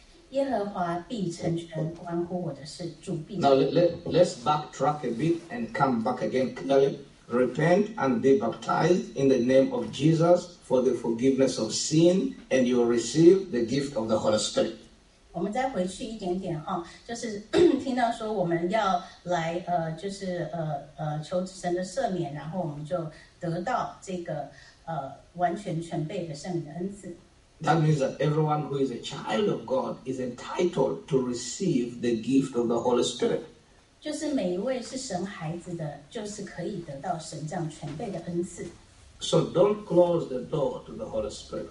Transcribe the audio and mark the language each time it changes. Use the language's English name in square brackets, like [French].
[Chinese] 耶和华必成全关乎我的事，主必成全。 [English] Now let's backtrack a bit and come back again clearly. Repent and be baptized in the name of Jesus for the forgiveness of sin, and you will receive the gift of the Holy Spirit. [Chinese] 我们再回去一点点，就是听到说我们要来，就是求神的赦免，然后我们就得到这个完全全备的圣灵的恩赐。 [English] That means that everyone who is a child of God is entitled to receive the gift of the Holy Spirit. [Chinese] 就是每一位是神孩子的，就是可以得到神这样全备的恩赐。 [English] So don't close the door to the Holy Spirit.